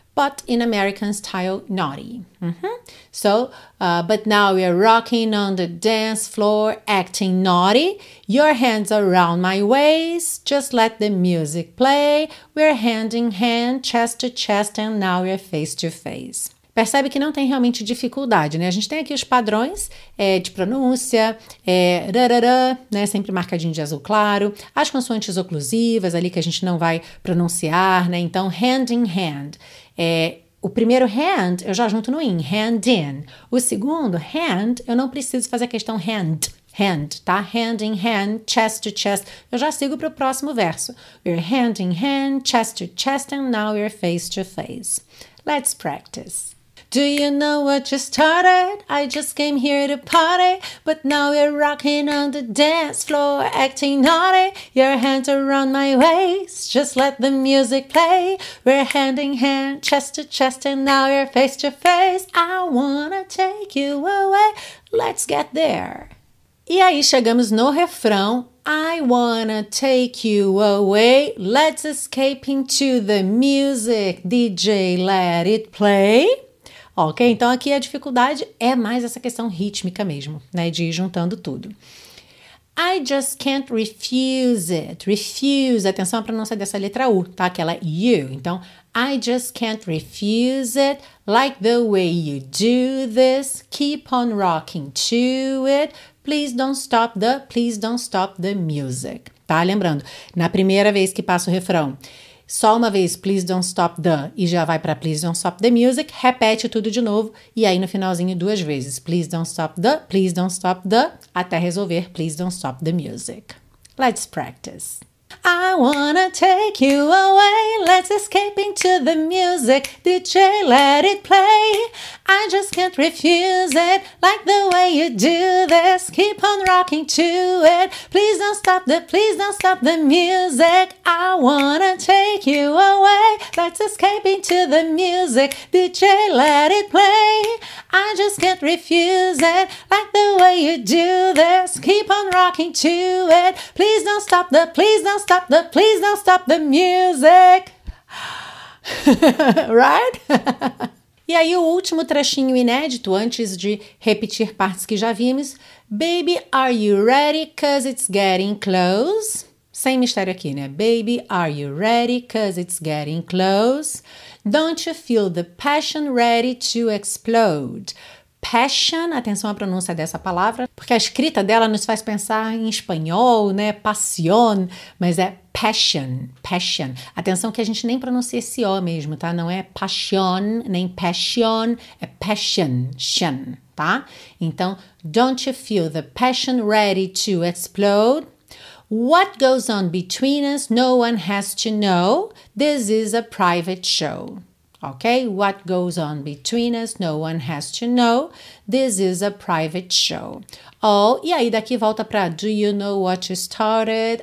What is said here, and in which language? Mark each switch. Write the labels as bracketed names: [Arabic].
[English] But in American style, naughty. Mm-hmm. So, but now we're rocking on the dance floor, acting naughty. Your hands around my waist, just let the music play. We're hand in hand, chest to chest, and now we're face to face. [Portuguese] Percebe que não tem realmente dificuldade, né? A gente tem aqui os padrões de pronúncia, rararã, né? Sempre marcadinho de azul claro. As consoantes oclusivas ali que a gente não vai pronunciar, né? Então, [English] hand in hand. [Portuguese] O primeiro hand eu já junto no in, hand in. O segundo, hand, eu não preciso fazer a questão hand, hand, tá? [English] Hand in hand, chest to chest. [Portuguese] Eu já sigo para o próximo verso. [English] We're hand in hand, chest to chest, and now we're face to face. Let's practice. Do you know what you started? I just came here to party, but now you're rocking on the dance floor, acting naughty. Your hands around my waist, just let the music play. We're hand in hand, chest to chest, and now you're face to face. I wanna take you away. Let's get there. [Portuguese] E aí chegamos no refrão. [English] I wanna take you away. Let's escape into the music. DJ, let it play. [Portuguese] Ok, então aqui a dificuldade é mais essa questão rítmica mesmo, né? De ir juntando tudo. [English] I just can't refuse it. [Portuguese] Refuse, atenção à pronúncia dessa letra U, tá? Aquela U. [English] Então, I just can't refuse it. Like the way you do this. Keep on rocking to it. Please don't stop the music. [Portuguese] Tá? Lembrando, na primeira vez que passa o refrão, só uma vez, please don't stop the, e já vai para [English] please don't stop the music, [Portuguese] repete tudo de novo, e aí no finalzinho duas vezes, please don't stop the, até resolver, please don't stop the music. [English] Let's practice. I wanna take you away, let's escape into the music, DJ, let it play. I just can't refuse it, like the way you do this, keep on rocking to it. Please don't stop the music. I wanna take you away, let's escape into the music, DJ, let it play. I just can't refuse it, like the way you do this, keep on rocking to it. Please don't stop the music. Right? [Portuguese] E aí, o último trechinho inédito, antes de repetir partes que já vimos. [English] Baby, are you ready? Cause it's getting close. [Portuguese] Sem mistério aqui, né? [English] Baby, are you ready? Cause it's getting close. Don't you feel the passion ready to explode? [Portuguese] Passion, atenção à pronúncia dessa palavra, porque a escrita dela nos faz pensar em espanhol, né? Passion, mas é passion, passion. Atenção que a gente nem pronuncia esse O mesmo, tá? Não é passion, nem passion, é passion, shen, tá? [English] Então, don't you feel the passion ready to explode? What goes on between us, no one has to know. This is a private show. Ok? What goes on between us, no one has to know. This is a private show. Oh, [Portuguese] e aí daqui volta pra [English] do you know what you started?